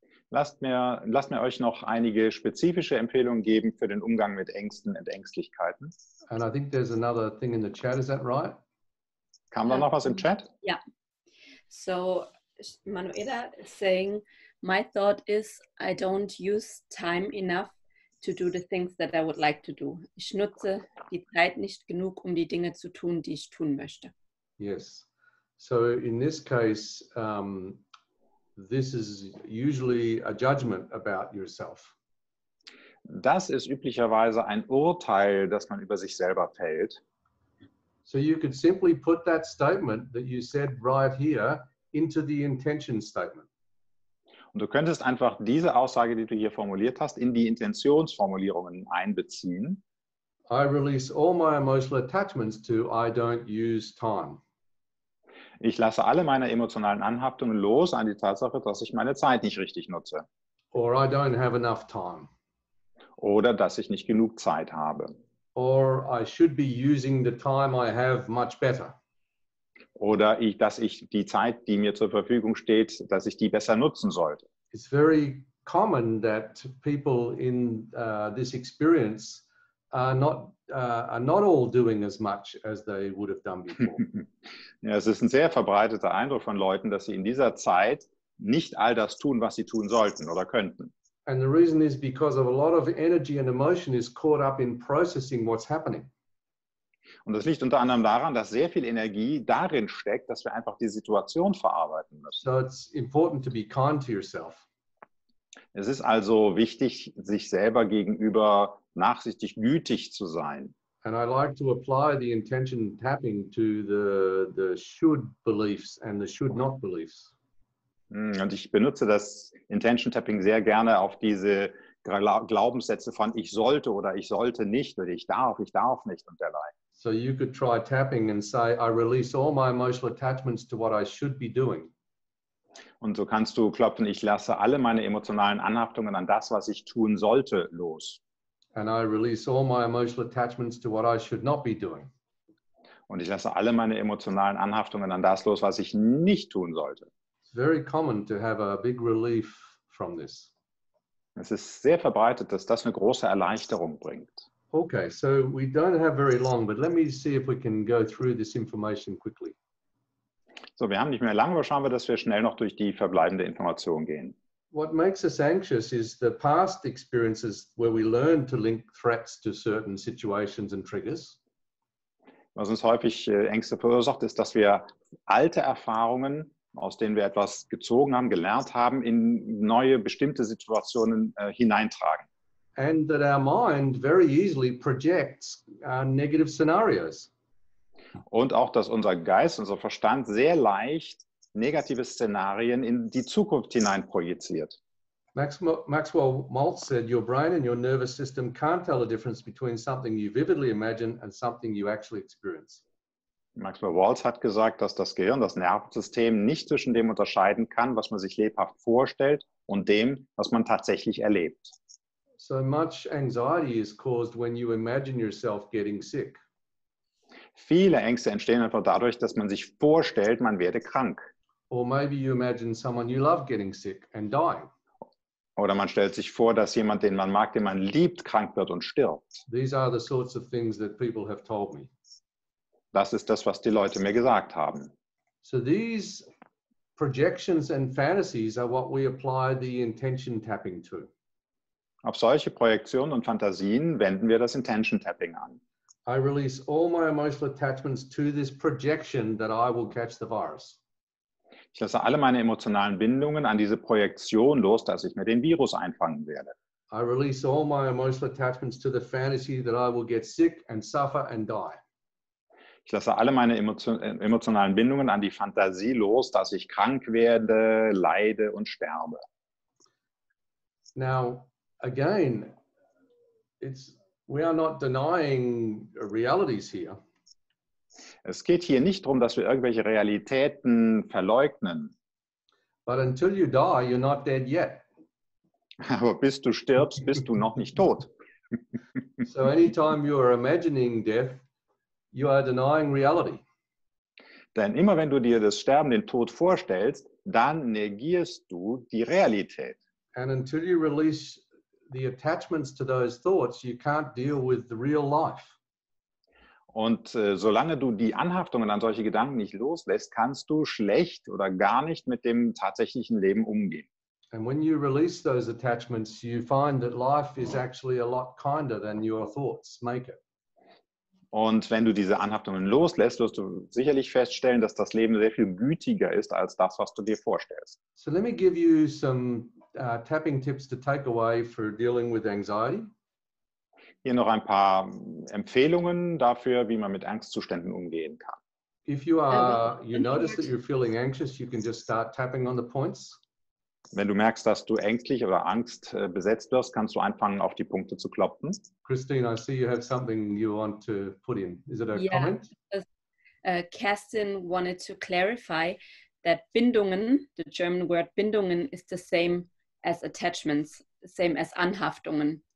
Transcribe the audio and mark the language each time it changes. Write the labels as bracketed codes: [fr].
[de] Lasst mir euch noch einige spezifische Empfehlungen geben für den Umgang mit Ängsten und Ängstlichkeiten. [en] And I think there's another thing in the chat, is that right? [de] Kam da noch was im Chat? Ja. [en] Yeah. So Manuela is saying, my thought is, I don't use time enough to do the things that I would like to do. [de] Ich nutze die Zeit nicht genug, um die Dinge zu tun, die ich tun möchte. [en] Yes. So in this case, this is usually a judgment about yourself. [de] Das ist üblicherweise ein Urteil, das man über sich selber fällt. [en] So you could simply put that statement that you said right here into the intention statement. [de] Und du könntest einfach diese Aussage, die du hier formuliert hast, in die Intentionsformulierungen einbeziehen. [en] I release all my emotional attachments to I don't use time. [de] Ich lasse alle meine emotionalen Anhaftungen los an die Tatsache, dass ich meine Zeit nicht richtig nutze. [en] Or I don't have enough time. [de] Oder dass ich nicht genug Zeit habe. [en] Or I should be using the time I have much better. [de] Oder dass ich die Zeit, die mir zur Verfügung steht, dass ich die besser nutzen sollte. [en] It's very common that people in this experience are not all doing as much as they would have done before. [de] Ja, es ist ein sehr verbreiteter Eindruck von Leuten, dass sie in dieser Zeit nicht all das tun, was sie tun sollten oder könnten. [en] And the reason is because of a lot of energy and emotion is caught up in processing what's happening. [de] Und das liegt unter anderem daran, dass sehr viel Energie darin steckt, dass wir einfach die Situation verarbeiten müssen. [en] So it's important to be kind to yourself. [de] Es ist also wichtig, sich selber gegenüber nachsichtig gütig zu sein. [en] And I like to apply the intention tapping to the should beliefs and the should not beliefs. [de] Und ich benutze das Intention Tapping sehr gerne auf diese Glaubenssätze von ich sollte oder ich sollte nicht oder ich darf nicht und derlei. [en] So you could try tapping and say, I release all my emotional attachments to what I should be doing. [de] Und so kannst du klopfen, ich lasse alle meine emotionalen Anhaftungen an das, was ich tun sollte, los. [en] And I release all my emotional attachments to what I should not be doing. [de] Und ich lasse alle meine emotionalen Anhaftungen an das los, was ich nicht tun sollte. [en] Very common to have a big relief from this. [de] Es ist sehr verbreitet, dass das eine große Erleichterung bringt. [en] Okay, so we don't have very long, but let me see if we can go through this information quickly. [de] So, wir haben nicht mehr lange, aber schauen wir, dass wir schnell noch durch die verbleibende Information gehen. [en] What makes us anxious is the past experiences where we learn to link threats to certain situations and triggers. [de] Was uns häufig Ängste verursacht, ist, dass wir alte Erfahrungen, aus denen wir etwas gezogen haben, gelernt haben, in neue bestimmte Situationen hineintragen. [en] And that our mind very easily projects negative scenarios. [de] Und auch, dass unser Geist, unser Verstand sehr leicht negative Szenarien in die Zukunft hineinprojiziert. [en] Maxwell Maltz said, your brain and your nervous system can't tell the difference between something you vividly imagine and something you actually experience. [de] Maxwell Maltz hat gesagt, dass das Gehirn, das Nervensystem nicht zwischen dem unterscheiden kann, was man sich lebhaft vorstellt und dem, was man tatsächlich erlebt. [en] So much anxiety is caused when you imagine yourself getting sick. [de] Viele Ängste entstehen einfach dadurch, dass man sich vorstellt, man werde krank. [en] Or maybe you imagine someone you love getting sick and dying. [de] Oder man stellt sich vor, dass jemand, den man mag, den man liebt, krank wird und stirbt. [en] These are the sorts of things that people have told me. [de] Das ist das, was die Leute mir gesagt haben. [en] So these projections and fantasies are what we apply the intention tapping to. [de] Auf solche Projektionen und Fantasien wenden wir das Intention Tapping an. [en] I release all my emotional attachments to this projection that I will catch the virus. [de] Ich lasse alle meine emotionalen Bindungen an diese Projektion los, dass ich mir den Virus einfangen werde. [en] I release all my emotional attachments to the fantasy that I will get sick and suffer and die. [de] Ich lasse alle meine emotionalen Bindungen an die Fantasie los, dass ich krank werde, leide und sterbe. [en] Now, again, we are not denying realities here. [de] Es geht hier nicht darum, dass wir irgendwelche Realitäten verleugnen. [en] But until you die, you're not dead yet. [de] Aber bis du stirbst, bist du noch nicht tot. [en] So anytime you are imagining death, you are denying reality. [de] Denn immer wenn du dir das Sterben, den Tod vorstellst, dann negierst du die Realität. [en] And until you release the attachments to those thoughts, you can't deal with the real life. [de] Und solange du die Anhaftungen an solche Gedanken nicht loslässt, kannst du schlecht oder gar nicht mit dem tatsächlichen Leben umgehen. [en] And when you release those attachments, you find that life is actually a lot kinder than your thoughts make it. [de] Und wenn du diese Anhaftungen loslässt, wirst du sicherlich feststellen, dass das Leben sehr viel gütiger ist als das, was du dir vorstellst. [en] So let me give you some tapping tips to take away for dealing with anxiety. [de] Hier noch ein paar Empfehlungen dafür, wie man mit Angstzuständen umgehen kann. [en] If you are, you notice that you're feeling anxious, you can just start tapping on the points. [de] Wenn du merkst, dass du ängstlich oder Angst besetzt wirst, kannst du anfangen, auf die Punkte zu klopfen. [en] Christine, I see you have something you want to put in. Is it a comment? Kerstin wanted to clarify that Bindungen, the German word Bindungen, is the same as attachments, same as Anhaftungen.